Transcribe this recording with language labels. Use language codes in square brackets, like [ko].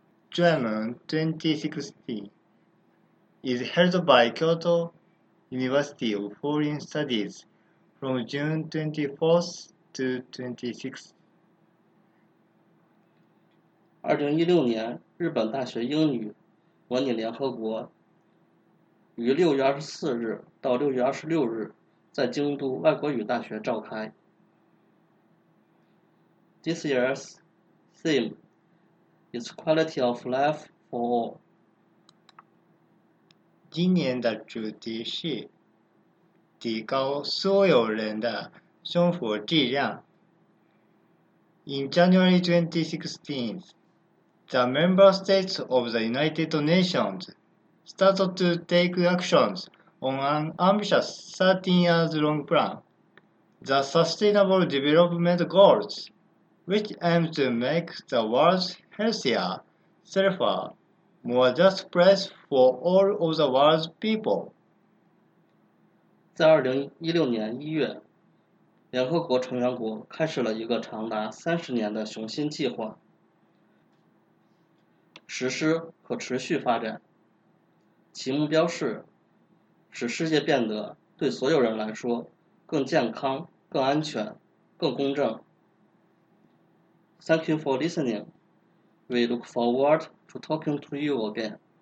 [en] GEM 2016 is held by Kyoto University of Foreign Studies from June 24th to 26th. [zh] 2016年日本大学英语模拟联合国于6月24日到6月26日在京都外国语大学召开。 [en] This year's theme is quality of life for all. [zh] 今年的主题是提高所有人的生活质量。 [en] In January 2016, the member states of the United Nations started to take actionsOn an ambitious 13-year-long plan, the Sustainable Development Goals, which aims to make the world healthier, safer, more just place for all of the world's people. [zh] 在2016年1月，联合国成员国开始了一个长达30年的雄心计划，实施可持续发展，其目标是使世界变得对所有人来说更健康、更安全、更公正。 [en] Thank you for listening. We look forward to talking to you again.